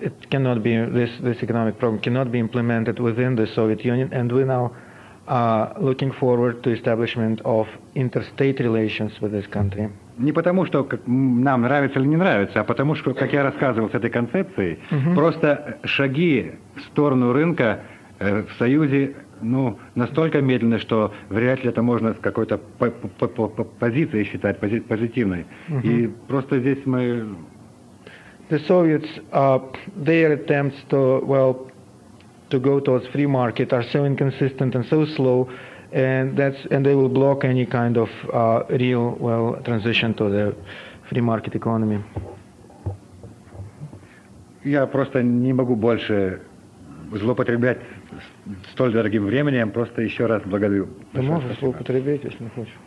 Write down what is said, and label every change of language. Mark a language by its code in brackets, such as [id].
[en] It cannot be, this economic program cannot be implemented within the Soviet Union, and we now looking forward to establishment of interstate relations with this country. [ru] Не потому, что нам нравится или не нравится, а потому, что, как я рассказывал с этой концепцией, просто шаги в сторону рынка в Союзе, ну, настолько медленны, что вряд ли это можно с какой-то позицией считать позитивной. И просто здесь мы... [en] The Soviets, their attempts to, well, to go towards free market are so inconsistent and so slow, and they will block any kind of real, well, transition to the free market economy. [ru] Я просто не могу больше злоупотреблять столь дорогим временем. Просто еще раз благодарю. Ты можешь злоупотреблять, если хочешь.